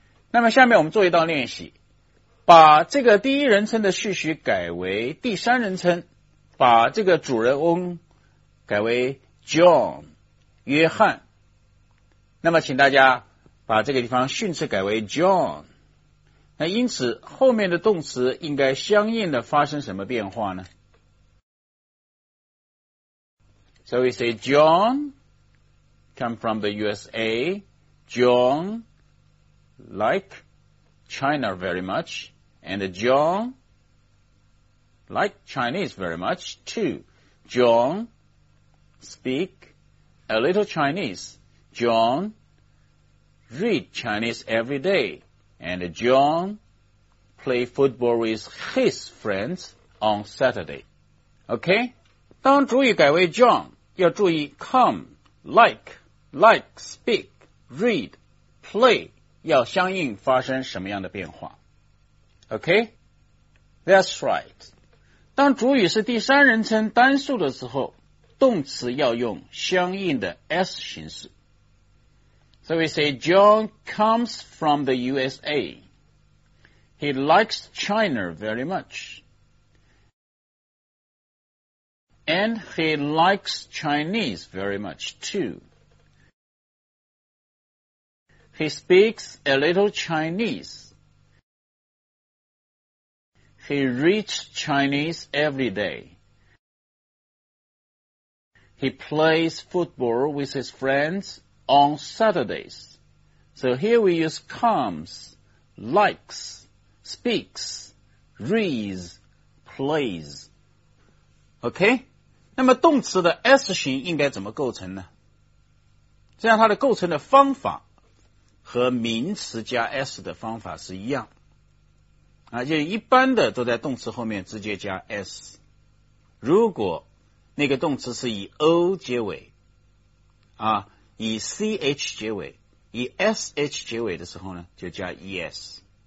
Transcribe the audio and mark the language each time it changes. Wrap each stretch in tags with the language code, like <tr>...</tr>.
<zh>那么下面我们做一道练习，把这个第一人称的序序改为第三人称，把这个主人翁改为 John, 约翰。那么请大家把这个地方训斥改为 John, 那因此后面的动词应该相应的发生什么变化呢？</zh> <en>So we say John come from the USA, John like China very much, and John like Chinese very much too. JohnSpeak a little Chinese. John, read Chinese every day. And John, play football with his friends on Saturday. OK?</en> <zh>当主语改为 John, 要注意 come, like, speak, read, play 要相应发生什么样的变化。</zh> <en>OK? That's right.</en> <zh>当主语是第三人称单数的时候，动词要用相应的 S 形式。</zh> <en>So we say, John comes from the USA. He likes China very much. And he likes Chinese very much too. He speaks a little Chinese. He reads Chinese every day. He plays football with his friends. On Saturdays. So here we use comes, likes, speaks, reads, plays. OK?</en> <zh>那么动词的 S 型应该怎么构成呢？这样它的构成的方法和名词加 S 的方法是一样。啊，就一般的都在动词后面直接加 S。如果那个动词是以 O 结尾，啊以 CH 结尾，以 SH 结尾的时候呢，就加 ES。</zh>